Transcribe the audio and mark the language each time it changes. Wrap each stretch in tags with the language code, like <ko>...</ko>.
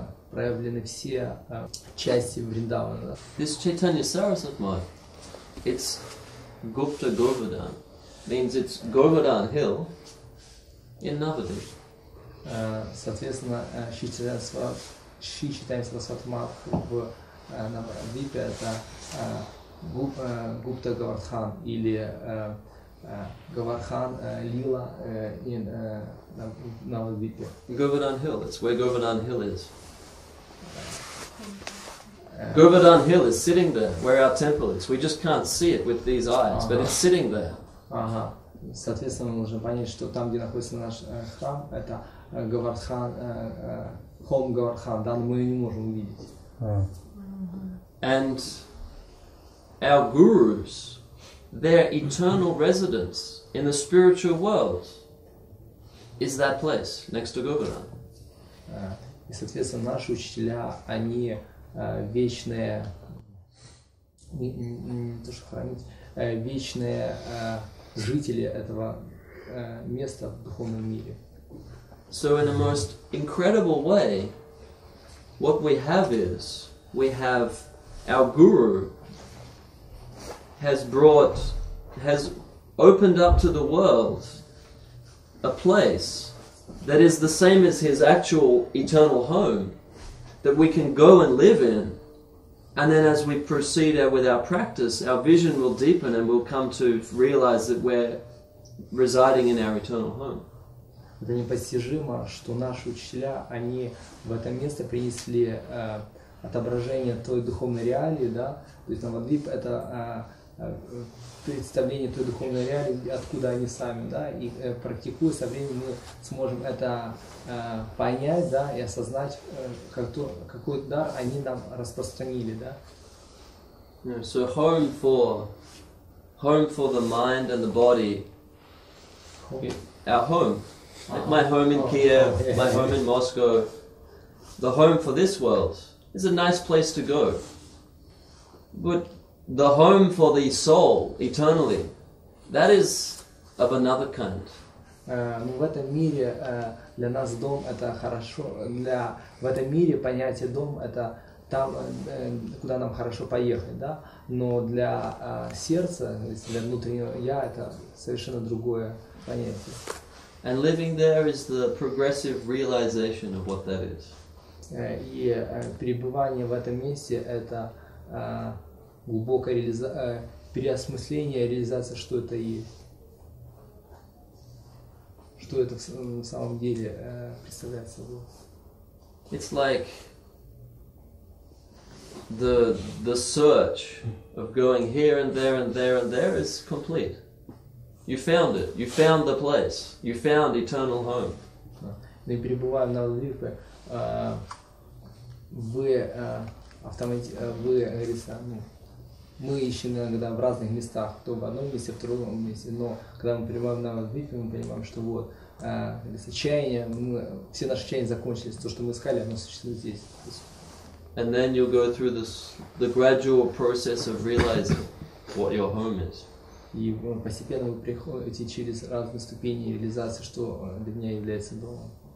<ru>Проявлены все части Вриндавана.</ru> <en>This Chaitanya Sarasvata, it's Gupta Govardhan, means it's Govardhan Hill in Navadvipa.</en> <ru>Соответственно, Шри Чайтанья Сарасвата Матха в Навадвипе это Гупта Говардхан или Говардхан Лила</ru> <en>in</en> <ru>Навадвипе.</ru> <en>Govardhan Hill, it's where Govardhan Hill is. Govardhan Hill is sitting there, where our temple is. We just can't see it with these eyes, but it's sitting there.</en> <ru>Соответственно, мы должны понять, что там, где находится наш храм, это Говардхан, холм Говардхан, да, но мы ее не можем увидеть.</ru> <en>And our gurus, their eternal residence in the spiritual world is that place, next to Govardhan.</en> <ru>И, соответственно, наши учителя, они вечные, не то, что хранить, вечные жители этого места в духовном мире.</ru> <en>So in a most incredible way, what we have is, we have our guru has opened up to the world a place that is the same as his actual eternal home that we can go and live in, and then as we proceed with our practice, our vision will deepen and we'll come to realize that we're residing in our eternal home.</en> <ru>Это непостижимо, что наши учителя, они в это место принесли отображение той духовной реалии, да, то есть Навадвипа это представление той духовной реалии, откуда они сами, да, и практикуя со временем мы сможем это понять, да, и осознать, какой дар они нам распространили, да.</ru> <en>Yeah, so home for the mind and the body. Home. Our home. My home in Kiev, my home in Moscow, the home for this world is a nice place to go. But the home for the soul, eternally, that is of another kind.</en> <ru>В этом мире для нас дом это хорошо. В этом мире понятие дом это там, куда нам хорошо поехать, да? Но для сердца, для внутреннего я это совершенно другое понятие.</ru> <en>And living there is the progressive realization of what that is.</en> <ru>и пребывание в этом месте это глубокое переосмысление, реализация, что это есть, что это на самом деле представляет собой.</ru> <en>It's like the search of going here and there and there and there is complete. You found it. You found the place. You found eternal home.</en> <ru>Мы пребываем на Лифе. Вы автомати... Вы, говорится, ну, мы ищем иногда в разных местах, то в одном месте, в другом месте, но когда мы пребываем на Лифе, мы понимаем, что вот, говорится, чаяние, мы, все наши чаяния закончились, то, что мы искали, оно существует здесь.</ru> <en>And then you'll go through this, the gradual process of realizing what your home is.</en> <ru>И постепенно вы приходите через разные ступени реализации, что для меня является домом.</ru>